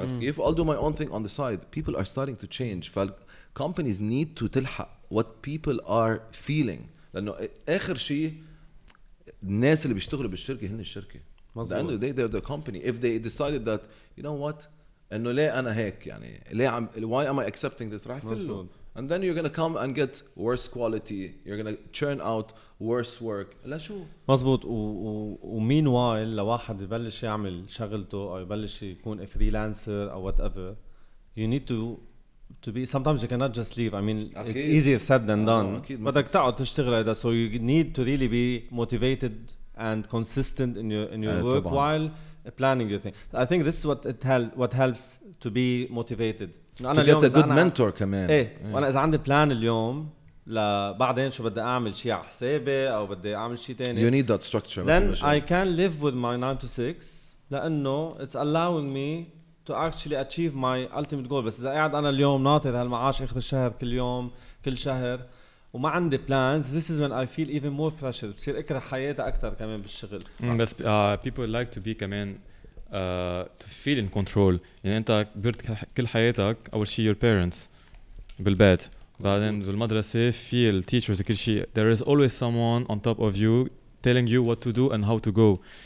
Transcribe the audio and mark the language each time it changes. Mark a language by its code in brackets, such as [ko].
[en] If I'll do my own thing on the side, people are starting to change. Companies need to تلحق what people are feeling. [ar] لأنه آخر شيء الناس اللي بيشتغلوا بالشركة هن الشركة. [en] لأنه they're the company. If they decided that you know what, [ar] إنه ليه أنا هيك يعني ليه عم [en] why am I accepting this right? And then you're gonna come and get worse quality. You're gonna churn out worse work. [ar] لا شو؟ [en] مزبوط. Meanwhile, [ar] لواحد يبلش يعمل شغلته أو يبلش يكون [en] a freelancer or whatever, you need to be. Sometimes you cannot just leave. I mean, أكيد. It's easier said than done. But أكيد. [ar] تقعد تشتغل هذا. [en] So you need to really be motivated and consistent in your work طبعاً. While planning your thing. I think this is what helps to be motivated. أنا to get a good mentor كمان. [ar] إيه. وأنا إذا عندي plan اليوم لبعدين شو بدي أعمل شيء على حسابي أو بدي أعمل شيء تاني. [en] You need that structure. Then I can live with my 9 to 6 لأنه it's allowing me to actually achieve my ultimate goal. [ar] بس إذا قاعد أنا اليوم ناطر هالمعاش آخر الشهر كل يوم كل شهر وما عندي plans, [en] this is when I feel even more pressured. [ar] بصير أكره حياتي أكثر كمان بالشغل. [en] بس people like to be كمان to feel in control. [ar] يعني انت كبرت كل حياتك اول شيء [en] your parents [ar] بالبيت بعدين بالمدرسة [en] feel teachers كل شيء there is always someone on top of you telling you what to do and how to go.